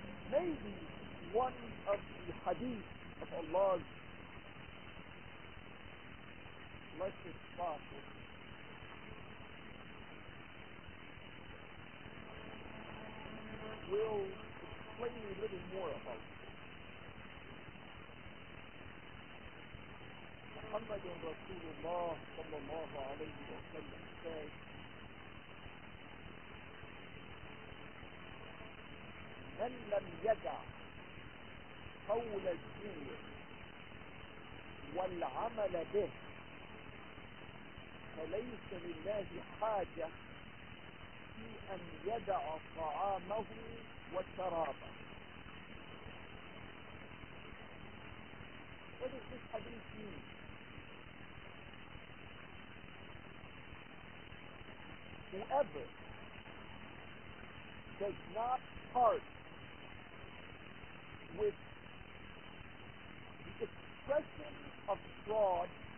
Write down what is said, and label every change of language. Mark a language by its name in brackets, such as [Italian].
[English] Maybe one of the hadith of Allah's blessed prophet will explain a little more about this. [Arabic] محمد رسول الله صلى الله عليه وسلم قال من لم يدع قول الزور والعمل به فليس لله حاجة في أن يدع طعامه وشرابه. وده في الحديث مين؟ [English] Whoever does not part with the expression of fraud